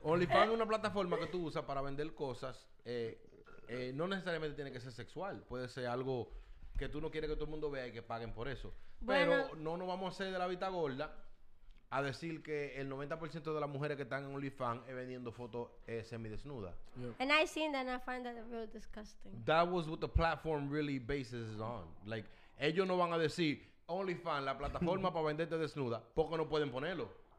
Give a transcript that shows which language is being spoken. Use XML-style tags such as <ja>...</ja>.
<es>OnlyFans es una plataforma que tú usas para vender cosas. No necesariamente tiene que ser sexual. Puede ser algo que tú no quieres que todo el mundo vea y que paguen por eso. Pero bueno, no nos vamos a hacer de la vista gorda a decir que el 90% de las mujeres que están en OnlyFans es vendiendo fotos semidesnudas.</es> <en>Yeah. And I've seen that and I find that real disgusting. That was what the platform really bases on.</en> <es>Like, ellos no van a decir OnlyFans, la plataforma para venderte desnuda, porque no pueden ponerlo.</es>